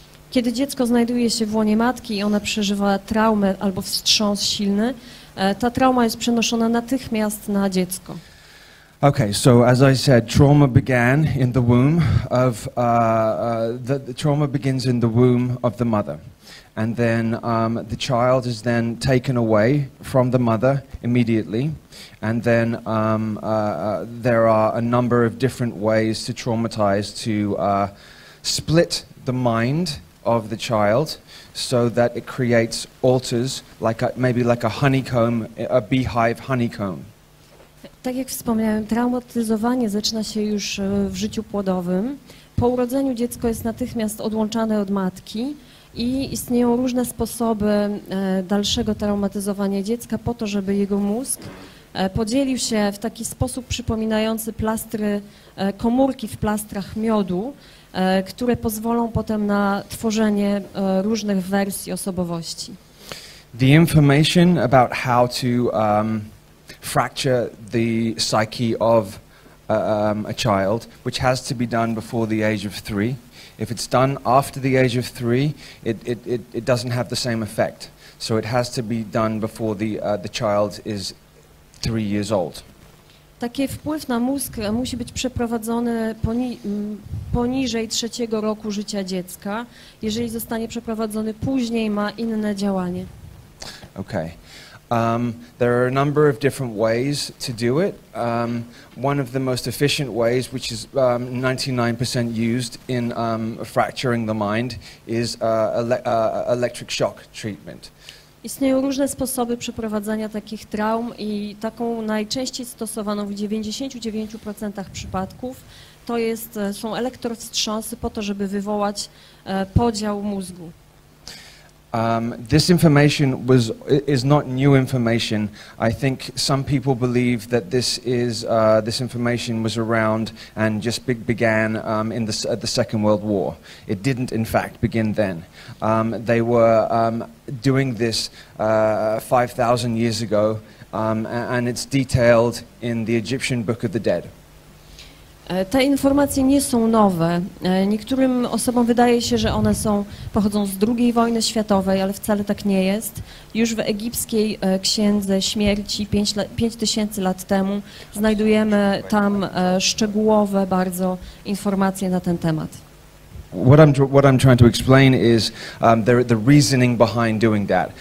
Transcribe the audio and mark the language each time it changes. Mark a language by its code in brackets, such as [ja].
[pl] Kiedy dziecko znajduje się w łonie matki i ona przeżywa traumę albo wstrząs silny, ta trauma jest przenoszona natychmiast na dziecko. [en] Okay, so as I said, trauma began in the womb of the trauma begins in the womb of the mother. And then the child is then taken away from the mother immediately. And then there are a number of different ways to traumatize, to split the mind of the child so that it creates alters, like a honeycomb, a beehive honeycomb. [pl] Tak jak wspomniałem, traumatyzowanie zaczyna się już w życiu płodowym. Po urodzeniu dziecko jest natychmiast odłączane od matki i istnieją różne sposoby dalszego traumatyzowania dziecka po to, żeby jego mózg podzielił się w taki sposób przypominający plastry, komórki w plastrach miodu, które pozwolą potem na tworzenie różnych wersji osobowości. [en] The information about how to fracture the psyche of a child, which has to be done before the age of three. If it's done after the age of three, it doesn't have the same effect. So it has to be done before the child is 3 years old. [pl] Taki wpływ na mózg musi być przeprowadzony poniżej trzeciego roku życia dziecka. Jeżeli zostanie przeprowadzony później, ma inne działanie. [en] Okay. There are a number of different ways to do it. One of the most efficient ways, which is 99% used in fracturing the mind, is electric shock treatment. [pl] Istnieją różne sposoby przeprowadzania takich traum i taką najczęściej stosowaną w 99% przypadków są elektrowstrząsy po to, żeby wywołać podział mózgu. [en] This information is not new information. I think some people believe that this information was around and just began at the Second World War. It didn't, in fact, begin then. They were doing this 5,000 years ago, and it's detailed in the Egyptian Book of the Dead. [pl] Te informacje nie są nowe. Niektórym osobom wydaje się, że one pochodzą z II wojny światowej, ale wcale tak nie jest. Już w egipskiej księdze śmierci 5000 lat temu znajdujemy tam szczegółowe bardzo informacje na ten temat. [en] What I'm trying to explain is the reasoning behind doing that.